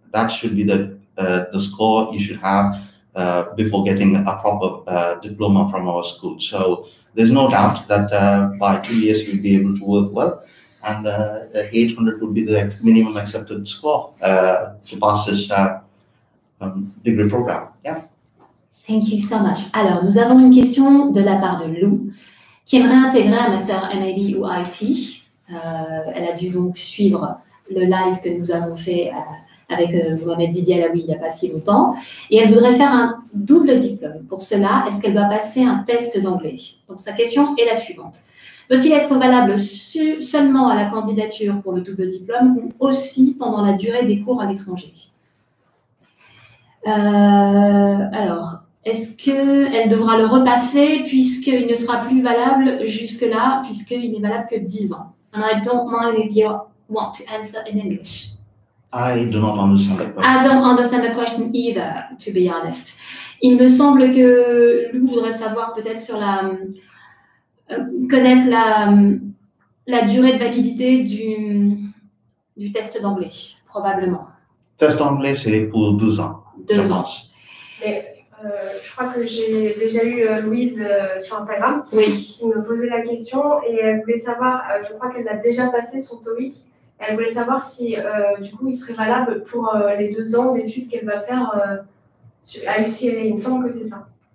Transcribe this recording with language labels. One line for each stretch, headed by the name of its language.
English: That should be the score you should have before getting a proper diploma from our school. So there's no doubt that by 2 years you'll be able to work well. and 800 would be the minimum accepted score to pass this degree program. Yeah. Thank you so much.
French: Alors, nous avons une question de la part de Lou, qui aimerait intégrer un master MIB ou IT. Elle a dû donc suivre le live que nous avons fait avec Mohamed Didier Alaoui il n'y a pas si longtemps. Et elle voudrait faire un double diplôme. Pour cela, est-ce qu'elle doit passer un test d'anglais? Donc, sa question est la suivante. Peut-il être valable seulement à la candidature pour le double diplôme ou aussi pendant la durée des cours à l'étranger? Alors, est-ce qu'elle devra le repasser puisqu'il ne sera plus valable jusque-là, puisqu'il n'est valable que 10 ans?
English: And I don't mind if you want to answer in English. I do not understand the question. I don't understand the question either, to be honest.
French: Il me semble que Lou voudrait savoir peut-être sur la... connaître la, la durée de validité du test d'anglais, probablement. Test d'anglais, c'est pour 12 ans. Deux ans. Je crois que j'ai déjà eu Louise sur Instagram qui me posait la question et elle voulait savoir, je crois qu'elle a déjà passé son TOEIC, elle voulait savoir si du coup il serait valable pour les deux ans d'études qu'elle va faire à UCLA, il me semble que c'est ça.